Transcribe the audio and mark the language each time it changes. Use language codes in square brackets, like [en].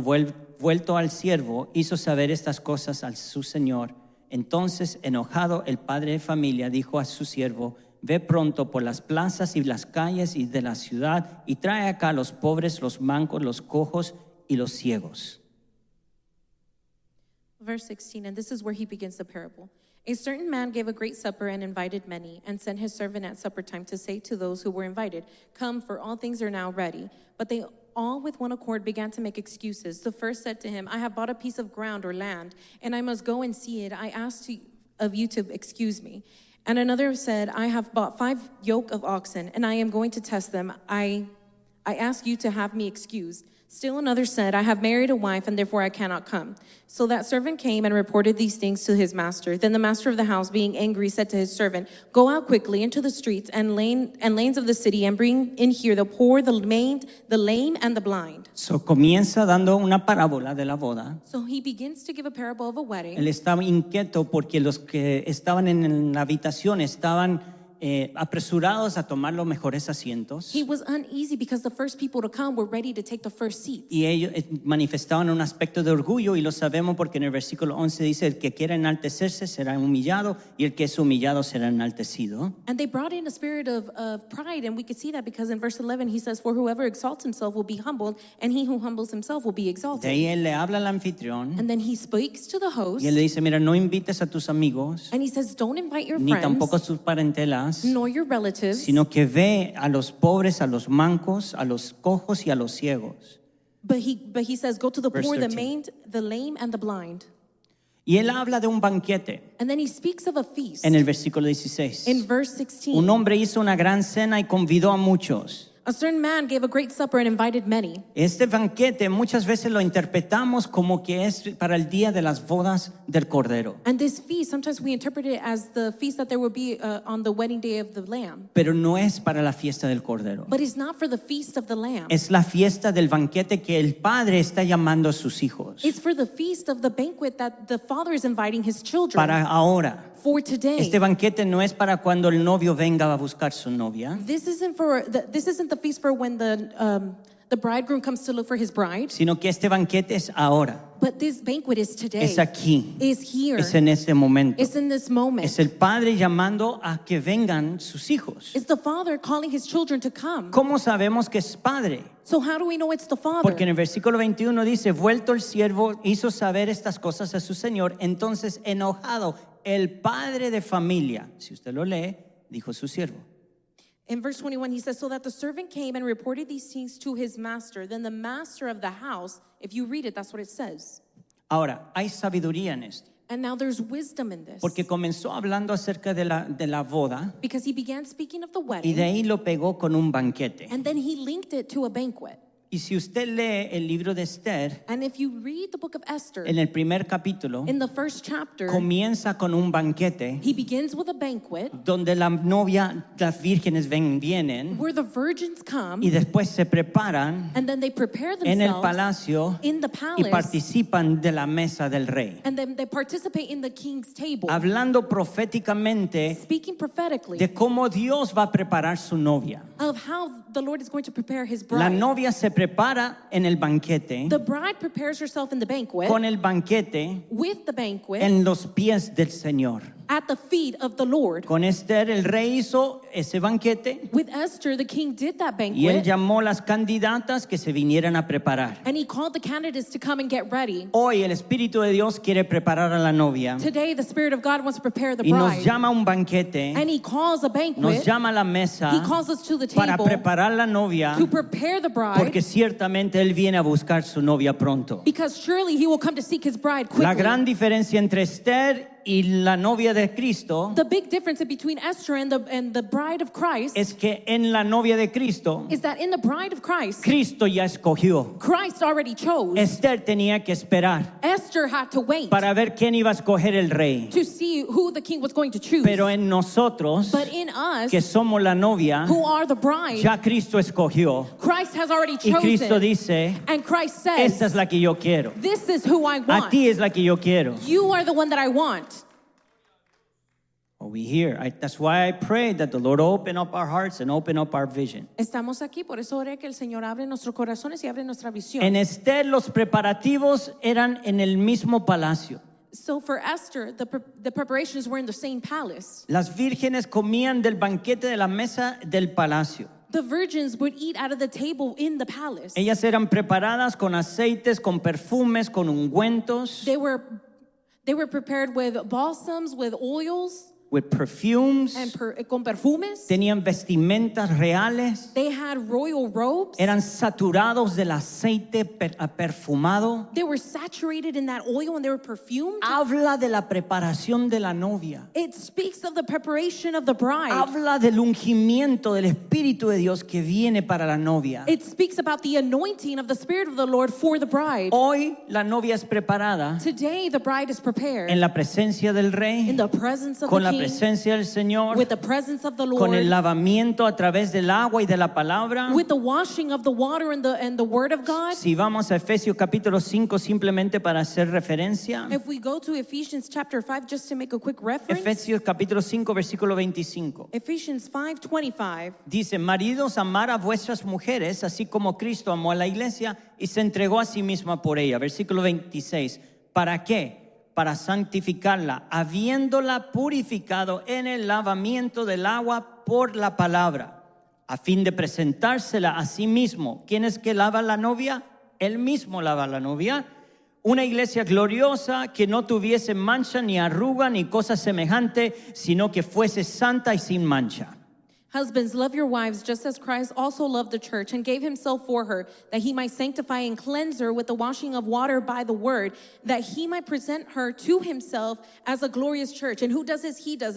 [es] Vuelto al siervo, hizo saber estas cosas a su señor. Entonces, enojado, el padre de familia dijo a su siervo, ve pronto por las plazas y las calles y de la ciudad y trae acá los pobres, los mancos, los cojos y los ciegos. [en] Verse 16, and this is where he begins the parable. A certain man gave a great supper and invited many, and sent his servant at supper time to say to those who were invited, come, for all things are now ready. But they all with one accord began to make excuses. The first said to him, I have bought a piece of ground or land, and I must go and see it. I ask of you to excuse me. And another said, I have bought 5 yoke of oxen, and I am going to test them. I ask you to have me excused. Still another said, I have married a wife, and therefore I cannot come. So that servant came and reported these things to his master. Then the master of the house, being angry, said to his servant, go out quickly into the streets and lanes of the city and bring in here the poor, the maimed, the lame, and the blind. [es] So comienza dando una parábola de la boda. [en] So he begins to give a parable of a wedding. [es] Él estaba inquieto porque los que estaban en la habitación estaban apresurados a tomar los mejores asientos. [en] He was uneasy because the first people to come were ready to take the first seats. [es] Y ellos manifestaban un aspecto de orgullo, y lo sabemos porque en el versículo 11 dice, el que quiera enaltecerse será humillado, y el que es humillado será enaltecido. [en] And they brought in a spirit of pride, and we could see that because in verse 11 he says, for whoever exalts himself will be humbled, and he who humbles himself will be exalted. [es] De ahí él le habla al anfitrión. [en] And then he speaks to the host. [es] Y él le dice, mira, no invites a tus amigos. [en] And he says, don't invite your [es] ni [en] friends. [es] Ni tampoco a sus parentela. [en] Nor your relatives, [es] sino que ve a los pobres, a los mancos, a los cojos y a los ciegos. [en] But he says, go to the poor, the maimed, the lame, and the blind. [es] Y él habla de un banquete. [en] And then he speaks of a feast. [es] En el versículo 16. [en] In verse 16. [es] Un hombre hizo una gran cena y convidó a muchos. [en] A certain man gave a great supper and invited many. [es] Este banquete muchas veces lo interpretamos como que es para el día de las bodas del Cordero. [en] And this feast, sometimes we interpret it as the feast that there will be on the wedding day of the Lamb. [es] Pero no es para la fiesta del Cordero. [en] But it's not for the feast of the Lamb. [es] Es la fiesta del banquete que el Padre está llamando a sus hijos. [en] It's for the feast of the banquet that the Father is inviting his children. [es] Para ahora. [en] For today. [es] Este banquete no es para cuando el novio venga a buscar su novia. [en] This isn't the feast for when the bridegroom comes to look for his bride. [es] Sino que este banquete es ahora. [en] But this banquet is today. [es] Es aquí. [en] Is here. [es] Es en este momento. [en] It's in this moment. [es] Es el padre llamando a que vengan sus hijos. [en] It's the father calling his children to come. [es] ¿Cómo sabemos que es padre? [en] So how do we know it's the father? [es] Porque en el versículo 21 dice, vuelto el siervo hizo saber estas cosas a su señor, entonces enojado el padre de familia, si usted lo lee, dijo su siervo. [en] In verse 21, he says, so that the servant came and reported these things to his master. Then the master of the house, if you read it, that's what it says. [es] Ahora, hay sabiduría en esto. [en] And now there's wisdom in this. [es] Porque comenzó hablando acerca de la boda. [en] Because he began speaking of the wedding. [es] Y de ahí lo pegó con un banquete. [en] And then he linked it to a banquet. [es] Y si usted lee el libro de Esther, [en] and if you read the book of Esther, [es] en el primer capítulo, [en] in the first chapter, [es] comienza con un banquete, [en] he begins with a banquet, [es] donde la novia, las vírgenes vienen, [en] where the virgins come, [es] y después se preparan, [en] and then they prepare themselves, [es] en el palacio, [en] in the palace, [es] y participan de la mesa del rey, [en] and then they participate in the king's table, [es] hablando proféticamente, [en] speaking prophetically, [es] de cómo Dios va a preparar su novia, [en] of how the Lord is going to prepare his bride. [es] La novia se prepara en el banquete. [en] The bride prepares herself in the banquet. [es] Con el banquete. [en] With the banquet. [es] En los pies del Señor. [en] At the feet of the Lord. [es] Con Esther el rey hizo ese banquete. [en] With Esther the king did that banquet. [es] Y él llamó las candidatas que se vinieran a preparar. [en] And he called the candidates to come and get ready. [es] Hoy el Espíritu de Dios quiere preparar a la novia. [en] Today the Spirit of God wants to prepare the [es] y [en] bride. [es] Y nos llama un banquete. [en] And he calls a banquet. [es] Nos llama a la mesa. [en] He calls us to the table. [es] Para preparar la novia. [en] To prepare the bride. [es] Porque ciertamente él viene a buscar su novia pronto. [en] Because surely he will come to seek his bride quickly. [es] La gran diferencia entre Esther y la novia de Cristo, [en] the big difference between Esther and the bride of Christ, [es] es que en la novia de Cristo, [en] is that in the bride of Christ, [es] Cristo ya escogió. [en] Christ already chose. [es] Esther tenía que esperar. [en] Esther had to wait. [es] Para ver quién iba a escoger el rey. [en] To see who the king was going to choose. [es] Pero en nosotros, [en] but in us, [es] que somos la novia, [en] who are the bride, [es] ya Cristo escogió. [en] Christ has already chosen. [es] Y Cristo dice, [en] and Christ says, [es] esta es la que yo quiero. [en] This is who I want. [es] A ti es la que yo quiero. [en] You are the one that I want. Are we here? That's why I pray that the Lord open up our hearts and open up our vision. [es] Estamos aquí, por eso oré que el Señor abre nuestros corazones y abre nuestra visión. En Esther, los preparativos eran en el mismo palacio. [en] So for Esther, the preparations were in the same palace. [es] Las vírgenes comían del banquete de la mesa del palacio. [en] The virgins would eat out of the table in the palace. [es] Ellas eran preparadas con aceites, con perfumes, con ungüentos. [en] They were prepared with balsams, with oils. With perfumes, [es] and con perfumes, tenían vestimentas reales. [en] They had royal robes. [es] Eran saturados del aceite perfumado. [en] They were saturated in that oil and they were perfumed. [es] Habla de la preparación de la novia. [en] It speaks of the preparation of the bride. [es] Habla del ungimiento del Espíritu de Dios que viene para la novia. [en] It speaks about the anointing of the Spirit of the Lord for the bride. [es] Hoy la novia es preparada. [en] Today the bride is prepared. [es] En la presencia del Rey. [en] In the presence of [es] con la presencia del Señor, [en] with the presence of the Lord, [es] con el lavamiento a través del agua y de la palabra, [en] with the washing of the water and the word of God. [es] Si vamos a Efesios capítulo 5 simplemente para hacer referencia, [en] if we go to Ephesians chapter 5 just to make a quick reference, [es] Efesios capítulo 5 versículo 25, [en] Ephesians 5:25 [es] dice: maridos, amar a vuestras mujeres así como Cristo amó a la iglesia y se entregó a sí misma por ella. Versículo 26, ¿para qué? Para santificarla, habiéndola purificado en el lavamiento del agua por la palabra, a fin de presentársela a sí mismo. ¿Quién es que lava la novia? Él mismo lava la novia. Una iglesia gloriosa que no tuviese mancha ni arruga ni cosa semejante, sino que fuese santa y sin mancha. [en] Husbands, love your wives just as Christ also loved the church and gave himself for her, that he might sanctify and cleanse her with the washing of water by the word, that he might present her to himself as a glorious church. And who does this? He does.